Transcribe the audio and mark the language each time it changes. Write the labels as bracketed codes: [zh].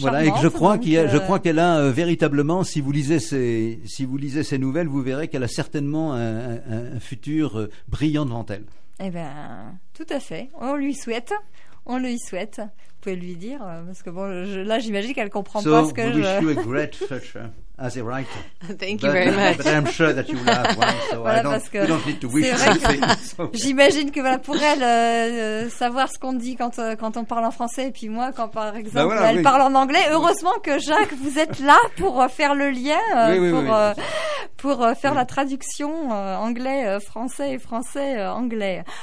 [fr] Voilà, et je crois qu'elle a véritablement, si vous lisez ses nouvelles, vous verrez qu'elle a certainement un futur brillant devant elle. Eh bien, tout à fait, on lui souhaite. Vous pouvez lui dire, parce que bon, j'imagine qu'elle ne comprend pas ce que je... [en] So, we wish you a great future. As a writer. Thank you very much. But I'm sure that you will have one, so you don't need to wish for something. [fr] J'imagine que voilà, pour elle, savoir ce qu'on dit quand on parle en français, et puis moi, quand par exemple, elle parle en anglais, heureusement que Jacques, vous êtes là pour faire le lien, pour faire la traduction anglais-français et français-anglais.